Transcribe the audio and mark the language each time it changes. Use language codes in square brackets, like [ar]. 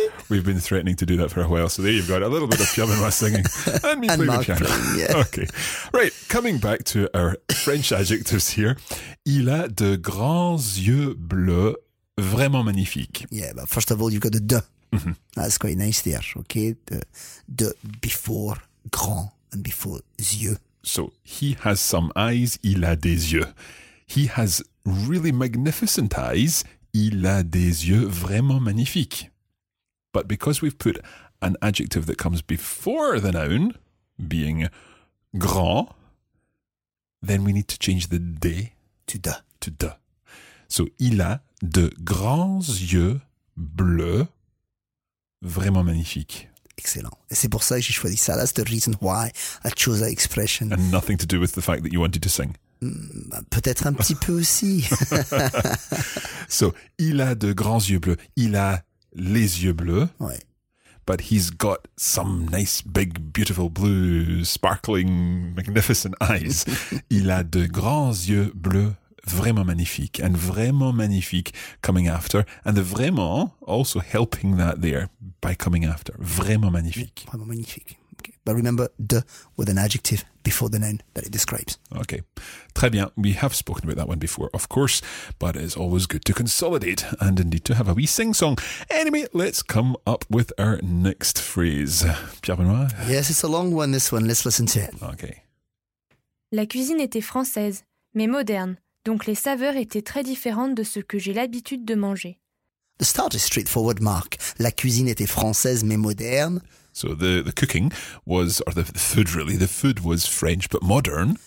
[en] We've been threatening to do that for a while, so there you've got a little bit of piano and my singing. And me and playing the piano. Playing, yeah. Okay. Right, coming back to our French adjectives here. [fr] Il a de grands yeux bleus, vraiment magnifiques. [en] Yeah, but first of all, you've got the de. Mm-hmm. That's quite nice there, okay? De before grand and before yeux. So, he has some eyes, [fr] il a des yeux. [en] He has really magnificent eyes, [fr] il a des yeux vraiment magnifiques. [en] But because we've put an adjective that comes before the noun, being grand, then we need to change the de to de. To de. [fr] So il a de grands yeux bleus vraiment magnifiques. [en] Excellent. [fr] Et c'est pour ça que j'ai choisi ça. [en] That's the reason why I chose that expression. And nothing to do with the fact that you wanted to sing. [fr] Peut-être un petit peu aussi. So, il a de grands yeux bleus. Il a les yeux bleus. Ouais. [en] But he's got some nice, big, beautiful, blue, sparkling, magnificent eyes. [fr] Il a de grands yeux bleus vraiment magnifiques. [en] And [fr] vraiment magnifique [en] coming after. And the vraiment also helping that there by coming after. [fr] Vraiment magnifique. Vraiment magnifique. [en] But remember, de with an adjective before the noun that it describes. [fr] Okay. Très bien. [en] We have spoken about that one before, of course, but it's always good to consolidate and indeed to have a wee sing-song. Anyway, let's come up with our next phrase. Pierre-Benoît? Yes, it's a long one, this one. Let's listen to it. Okay. [fr] La cuisine était française, mais moderne, donc les saveurs étaient très différentes de ce que j'ai l'habitude de manger. [en] The start is straightforward, Mark. [fr] La cuisine était française, mais moderne. [en] So the cooking was, or the food really, the food was French but modern.